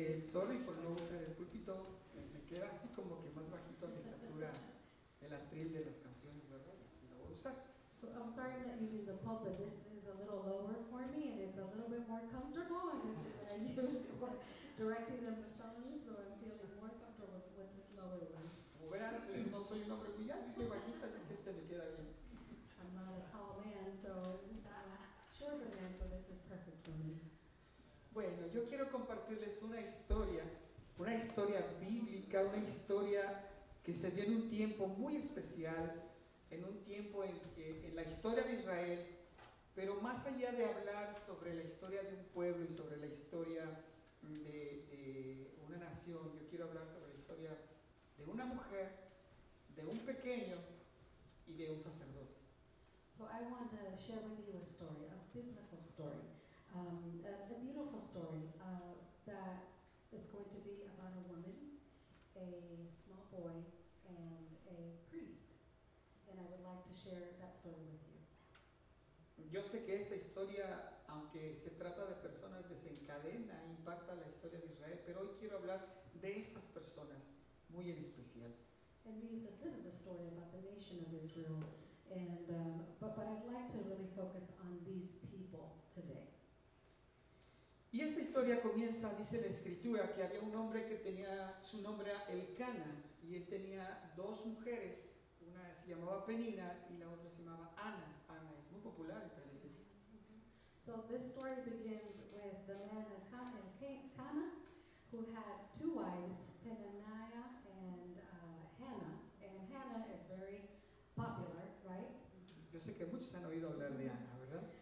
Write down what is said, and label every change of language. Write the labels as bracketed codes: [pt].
[es] Sorry por no usar el púlpito, me queda así como que más bajito a mi estatura el atril de las canciones, ¿verdad? Y aquí lo voy a usar. [en] So I'm sorry I'm not using the pulpit. This is a little lower for me, and it's a little bit more comfortable. And this is what I use for directing the songs, so I'm feeling more comfortable with this lower one. [es] Como verán, no soy un hombre muy alto, soy bajita, así que este me queda bien. [en] I'm not a tall man, so this is a shorter man, so this is perfect for me. [es] Bueno, yo quiero compartirles una historia bíblica, una historia que se dio en un tiempo muy especial, en un tiempo en que en la historia de Israel, pero más allá de hablar sobre la historia de un pueblo y sobre la historia de una nación, yo quiero hablar sobre la historia de una mujer, de un pequeño y de un sacerdote. [en] So I want to share with you a story, a biblical story. The beautiful story that it's going to be about a woman, a small boy, and a priest. And I would like to share that story with you. [es] Yo sé que esta historia, aunque se trata de personas, desencadena e impacta la historia de Israel, pero hoy quiero hablar de estas personas muy en especial. [en] And this is a story about the nation of Israel, and but I'd like to really focus on these people today. [es] Y esta historia comienza, dice la escritura, que había un hombre que tenía, su nombre era Elcana, y él tenía dos mujeres, una se llamaba Penina y la otra se llamaba Ana. Ana es muy popular entre la iglesia. [en] So this story begins with the man Elcana, who had two wives, Penina and Hannah. And Hannah is very popular, right? [es] Yo sé que muchos han oído hablar de Ana, ¿verdad?